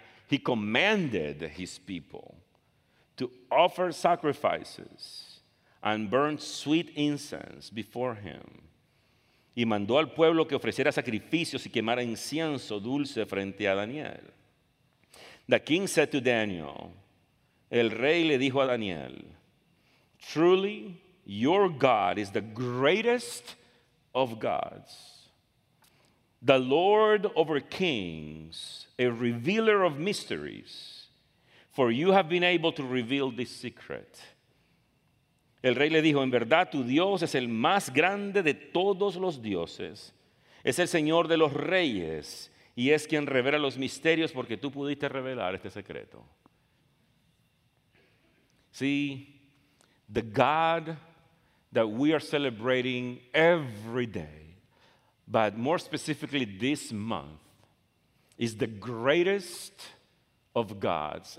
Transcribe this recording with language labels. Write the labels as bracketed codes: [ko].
[en] He commanded his people to offer sacrifices and burn sweet incense before him. [es] Y mandó al pueblo que ofreciera sacrificios y quemara incienso dulce frente a Daniel. [en] The king said to Daniel, [es] el rey le dijo a Daniel, [en] truly your God is the greatest of gods, the Lord over kings, a revealer of mysteries, for you have been able to reveal this secret. [es] El rey le dijo, en verdad tu Dios es el más grande de todos los dioses, es el Señor de los reyes y es quien revela los misterios porque tú pudiste revelar este secreto. [en] See, the God that we are celebrating every day, but more specifically this month, is the greatest of gods.